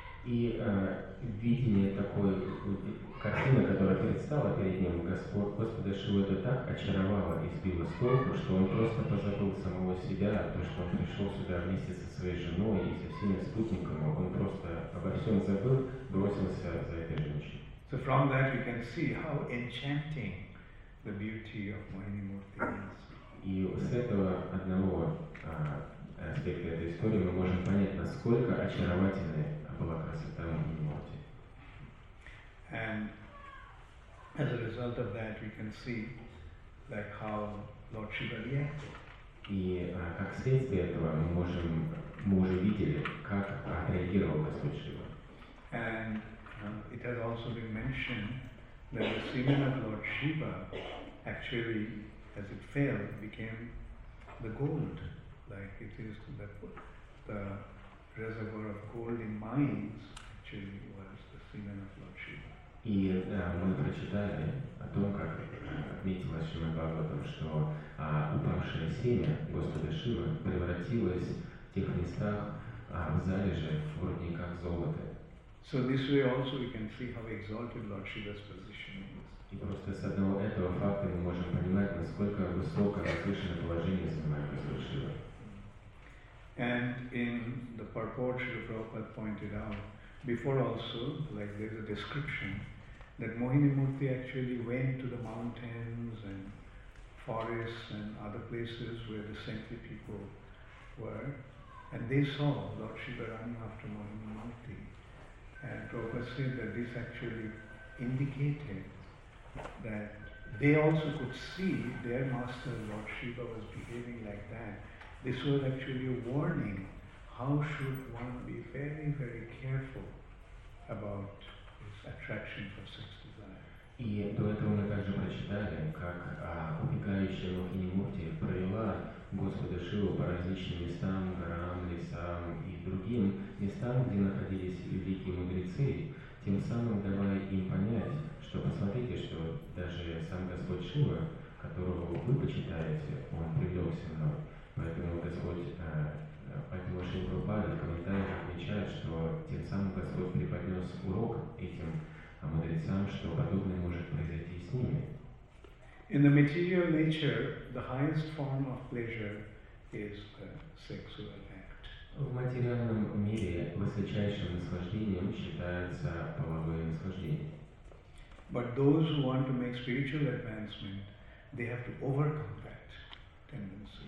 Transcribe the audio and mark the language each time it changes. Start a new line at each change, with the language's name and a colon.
Russian: И видение такой картины, которая предстала перед ним, Господа Шивы это так очаровало и сбило с толку, что он просто позабыл самого себя, то, что он пришел сюда вместе со своей женой и со всеми спутниками, он просто обо всем забыл, бросился за этой женщиной.
English: So from that we can see how enchanting the beauty of Mohini Murti is.
Russian: И с этого одного аспекта этой истории мы можем понять, насколько очаровательны была красота Мохини Мурти.
English: And as a result of that, we can see like how Lord Shiva reacted.
Russian: И как следствие этого мы уже видели, как отреагировал Господь Шива.
English: And it has also been mentioned that the semen of Lord Shiva actually, as it fell, became the gold, like it is the reservoir of gold in mines, actually was the semen of Lord Shiva.
Russian: И мы прочитали о том, как отметила Шрима Бхагаватам, что упавшее семя Господа Шивы превратилось в тех местах в залежи вроде как золота.
English: So this way also we can see how exalted Lord Shiva's position is.
Russian: И просто с одного этого факта мы можем понимать, насколько высокое возвышенное положение занимает Господь Шива.
English: And in the purport, Srila Prabhupada pointed out before also, like there is a description that Mohini Murti actually went to the mountains and forests and other places where the saintly people were, and they saw Lord Shiva running after Mohini Murti. And Prabhupada said that this actually indicated that they also could see their master Lord Shiva was behaving like that. This was actually a warning. How should one be very, very careful about this attraction for sex desire?
Russian: И до этого мы также прочитали, как убегающая Мохини Мурти провела Господа Шиву по различным местам, горам, лесам и другим местам, где находились великие мудрецы, тем самым давая им понять, что посмотрите, что даже сам Господь Шива, которого вы почитаете, он привлекся мной. Поэтому Господь, поэтому Шри Прабхупада в комментариях отмечает, что тем самым Господь преподнес урок этим мудрецам, что подобное может произойти и с ними.
English: In the material nature, the highest form of pleasure is the sexual act.
Russian: В материальном мире высочайшим наслаждением считается половое наслаждение.
English: But those who want to make spiritual advancement, they have to overcome that tendency.